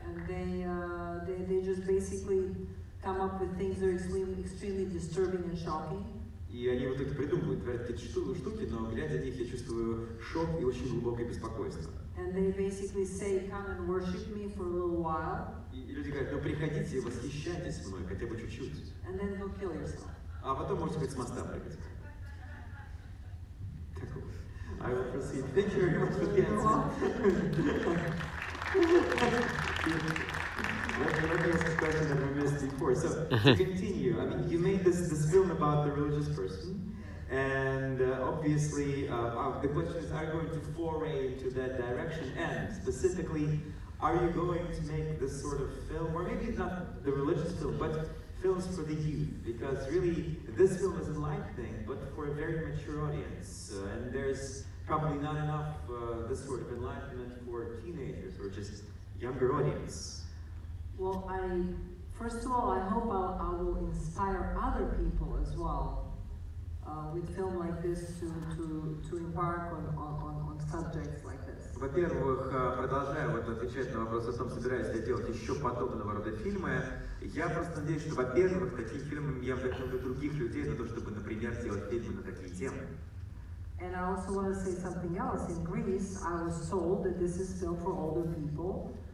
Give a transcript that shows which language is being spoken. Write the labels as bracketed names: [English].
[English] And they just basically come up with things that are extremely disturbing and shocking. [Russian] И они вот это придумывают, говорят какие-то штуки, но глядя на них, я чувствую шок и очень глубокое беспокойство. [English] And they basically say, come and worship me for a little while. [Russian] И люди говорят, ну приходите и восхищайтесь мной, хотя бы чуть-чуть. [English] And then go kill yourself. [Russian] А потом можете хоть с моста прыгать. Так вот. [English] I will proceed. Thank you very much for the answer. So to continue, I mean, you made this film about the religious person, and obviously the questions are going to foray into that direction. And specifically, are you going to make this sort of film, or maybe not the religious film, but films for the youth? Because really, this film is a light thing, but for a very mature audience, and there's probably not enough this sort of enlightenment for teenagers or just younger audience. Well, I hope I will inspire other people as well with film like this to embark on subjects like this. [Russian] Во-первых, продолжая вот отвечать на вопрос о том, собираюсь ли делать еще подобного рода фильмы, я просто надеюсь, что, во-первых, такие фильмы я вдохновлю других людей на то, чтобы, например, делать фильмы на такие темы. [English] And I also want to say something else. In Greece, I was told that this is still for older people.